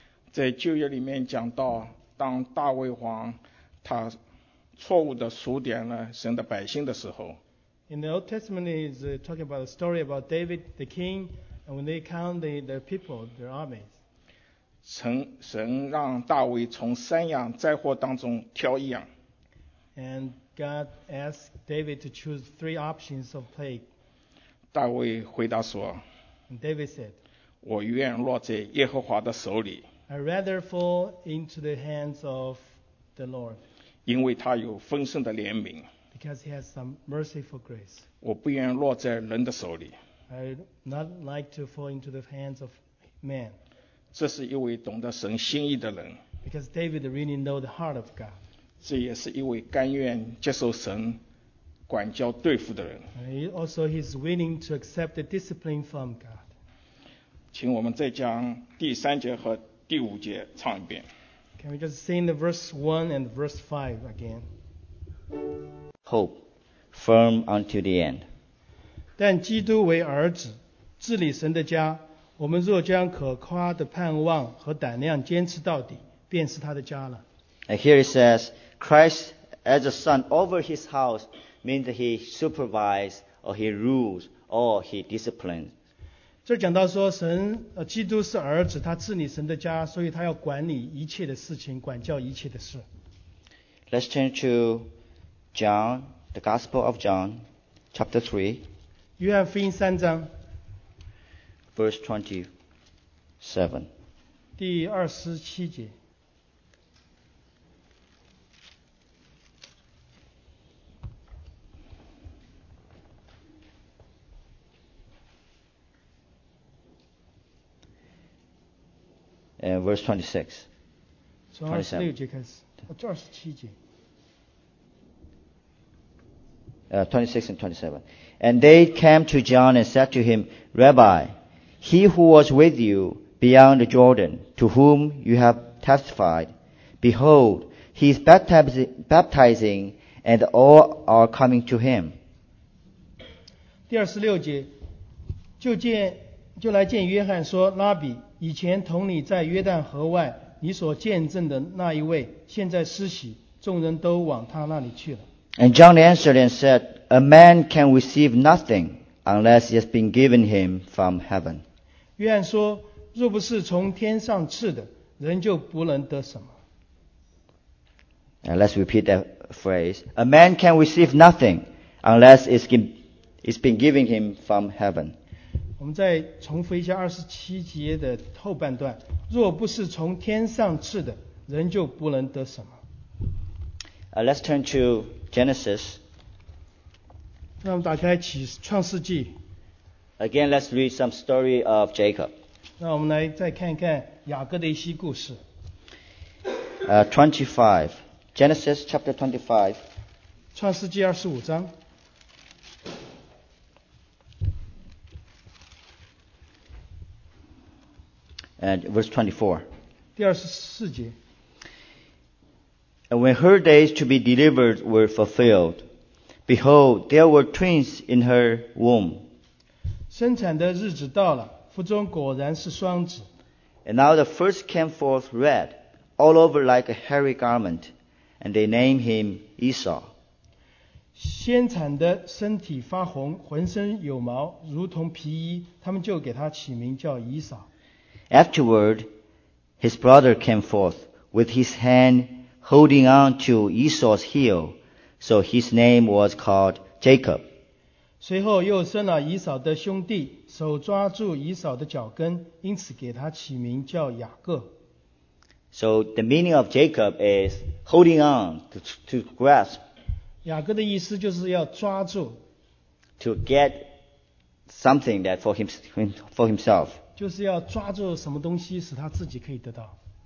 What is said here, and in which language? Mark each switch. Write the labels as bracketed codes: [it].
[zh] 在旧约里面讲到当大卫王他错误的数点了神的百姓的时候。 [en] In the Old Testament, it's talking about a story about David, the king, and when they count the people, their armies. [zh] 神让大卫从三样灾祸当中挑一样。 [en] And God asked David to choose three options of plague. [zh] 大卫回答说 [en] And David said, [zh] 我愿落在耶和华的手里。 [en] I'd rather fall into the hands of the Lord. [zh] 因为他有丰盛的怜悯。 [en] Because he has some merciful grace. [zh] 我不愿落在人的手里。 [en] I'd not like to fall into the hands of man. [zh] 这是一位懂得神心意的人。 [en] Because David really knows the heart of God. [zh] 这也是一位甘愿接受神管教对付的人。 [en] Also, he's willing to accept the discipline from God. [zh] 请我们再将第三节和第五节唱一遍。 [en] Can we just sing the verse 1 and verse 5 again? Hope, firm until the end. [zh] 但基督为儿子，治理神的家，我们若将可夸的盼望和胆量坚持到底，便是他的家了。 [en] And here it says, Christ as a son over his house means that he supervises or he rules or he disciplines. [zh] 这讲到说神，基督是儿子，他治理神的家，所以他要管理一切的事情，管教一切的事。 [en] Let's turn to John, the Gospel of John, chapter 3. [zh] 约翰福音三章。 [en] Verse 27. [zh] 第二十七节。 [en] Verse 26. [zh] 从二十六节开始。27. 二十七节。 [en] 26 and 27. And they came to John and said to him, Rabbi, he who was with you beyond the Jordan, to whom you have testified, behold, he is baptizing, and all are coming to him. [zh] 第二十六节，就来见约翰说，拉比，以前同你在约旦河外，你所见证的那一位，现在施洗，众人都往他那里去了。 [en] And John answered and said, A man can receive nothing unless he has been given him from heaven. [zh] 约翰说，若不是从天上赐的，人就不能得什么。 [en] And let's repeat that phrase. A man can receive nothing unless it's been given him from heaven. [zh] 我们再重复一下二十七节的后半段，若不是从天上赐的，人就不能得什么。 [en] Let's turn to Genesis. [zh] 让我们打开启创世纪。 [en] Again, let's read some story of Jacob. [zh] 让我们来再看看雅各的一些故事。 [en] 25, Genesis chapter 25. [zh] 创世纪二十五章。 [en] And verse 24. [zh] 第二十四节。 [en] And when her days to be delivered were fulfilled, behold, there were twins in her womb. [zh] 生产的日子到了，腹中果然是双子。 [en] And now the first came forth red, all over like a hairy garment, and they named him Esau. [zh] 先产的身体发红，浑身有毛，如同皮衣，他们就给他起名叫以扫。 [en] Afterward, his brother came forth with his hand holding on to Esau's heel, so his name was called Jacob. [zh] 随后又生了以扫的兄弟，手抓住以扫的脚跟，因此给他起名叫雅各。 [en] So the meaning of Jacob is holding on to grasp. [zh] 雅各的意思就是要抓住。 [en] to get something that for himself. [zh] 就是要抓住什么东西使他自己可以得到。